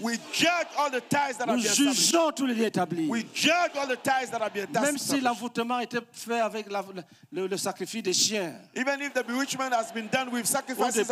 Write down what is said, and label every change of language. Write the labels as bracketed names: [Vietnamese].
[English] We judge all the ties that have been [French] Nous jugeons tous les liens établis. [English] We judge all the ties that have been established. [French] Même si l'enfoutement était fait avec le sacrifice des chiens. [English] Even if the bewitchment has been done with sacrifices